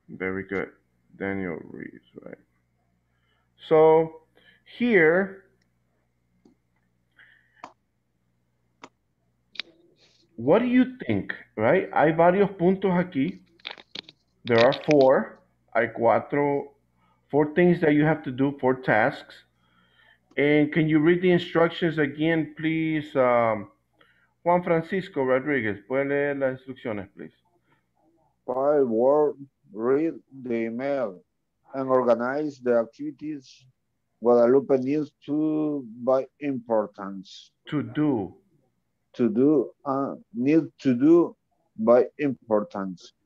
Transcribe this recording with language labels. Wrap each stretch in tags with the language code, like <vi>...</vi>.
<en>Very good. Daniel Ruiz, right. So here, what do you think, right?</en> <es>Hay varios puntos aquí.</es> <en>There are four.</en> <es>Hay cuatro,</es> <en>four things that you have to do, four tasks. And can you read the instructions again, please?</en> <es>Juan Francisco Rodriguez, ¿puede leer las instrucciones, please?</es> <en>By word, read the email and organize the activities Guadalupe needs to by importance. To do. To do, need to do by importance.</en>